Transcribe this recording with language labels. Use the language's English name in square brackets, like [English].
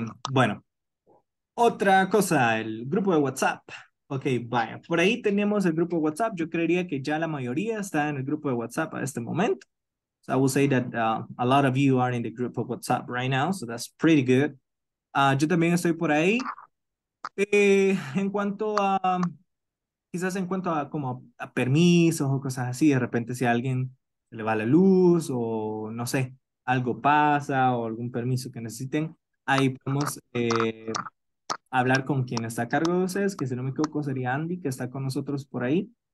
[Spanish] Bueno, otra cosa, el grupo de WhatsApp. Ok, vaya, por ahí tenemos el grupo de WhatsApp. Yo creería que ya la mayoría está en el grupo de WhatsApp a este momento. [English] So I will say that a lot of you are in the group of WhatsApp right now, so that's pretty good. [Spanish] Yo también estoy por ahí. En cuanto a, quizás en cuanto a como a permisos o cosas así, de repente si a alguien le va la luz o no sé, algo pasa o algún permiso que necesiten, ahí podemos hablar con quien está a cargo de ustedes, que si no me equivoco sería Andy, que está con nosotros por ahí.